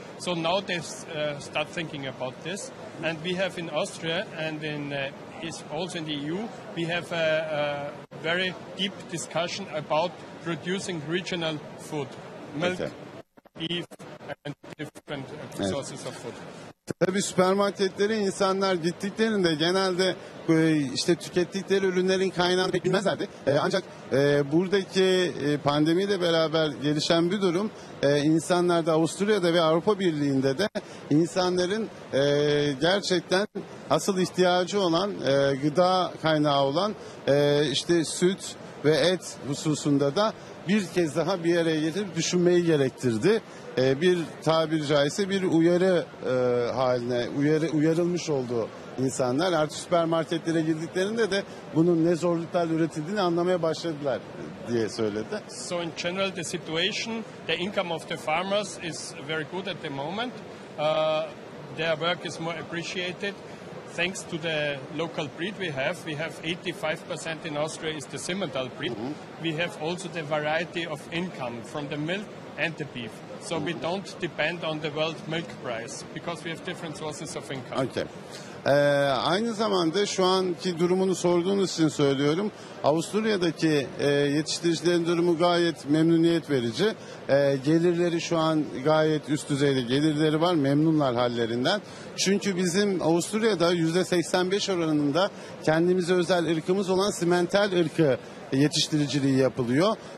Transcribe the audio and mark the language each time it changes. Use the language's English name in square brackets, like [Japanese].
[English] So now they start thinking about this, and we have in Austria and in is also in the EU, we have a very deep discussion about producing regional food, milk, beef, and different sources of food. [Turkish] Tabii süpermarketlere insanlar gittiklerinde genelde işte tükettikleri ürünlerin kaynağını bilmezlerdi. Ancak buradaki pandemiyle beraber gelişen bir durum, insanlar da Avusturya'da ve Avrupa Birliği'nde de insanların gerçekten asıl ihtiyacı olan gıda kaynağı olan işte süt ve et hususunda da bir kez daha bir araya getirip düşünmeyi gerektirdi. Bir tabiri caizse bir uyarı haline uyarılmış oldu insanlar. Artık süpermarketlere girdiklerinde de bunun ne zorluklarla üretildiğini anlamaya başladılar diye söyledi. [English] So in general the situation, the income of the farmers is very good at the moment. Their work is more appreciated thanks to the local breed we have. We have 85% in Austria is the Simmental breed. Mm-hmm. We have also the variety of income from the milk and the beef. So we don't depend on the world milk price because we have different sources of income. Okay. [Turkish] Aynı zamanda şu anki durumunu sorduğunuz için söylüyorum. Avusturya'daki yetiştiricilerin durumu gayet memnuniyet verici. Gelirleri şu an gayet üst düzeyde gelirleri var. Memnunlar hallerinden. Çünkü bizim Avusturya'da %85 oranında kendimize özel ırkımız olan Simmental ırkı yetiştiriciliği yapılıyor.